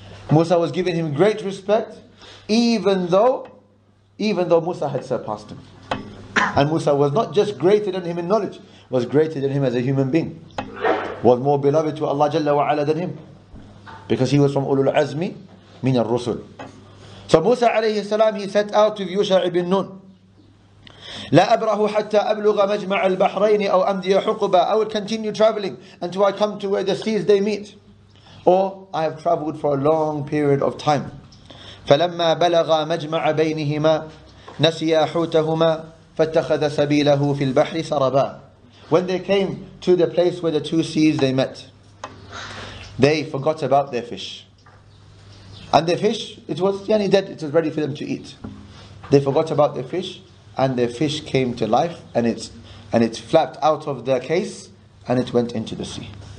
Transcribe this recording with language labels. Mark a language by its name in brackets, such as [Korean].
[English] Musa was giving him great respect, even though Musa had surpassed him. And Musa was not just greater than him in knowledge, was greater than him as a human being. Was more beloved to Allah Jalla wa Ala than him. Because he was from Ulul Azmi, min al-Rusul. So Musa alayhi salam, he set out to Yusha ibn Nun. [Arabic] لا أبره حتى أبلغ مجمع البحرين أو أمضي حقبة. [English] I will continue traveling until I come to where the seas they meet. Or I have traveled for a long period of time. [Arabic] فلما بلغ مجمع بينهما نسي حوتهما فاتخذ سبيله في البحر سربا. [English] When they came to the place where the two seas they met, they forgot about their fish. And the fish, it was yani dead, it was ready for them to eat. They forgot about their fish. And the fish came to life, and it flapped out of the case, and it went into the sea.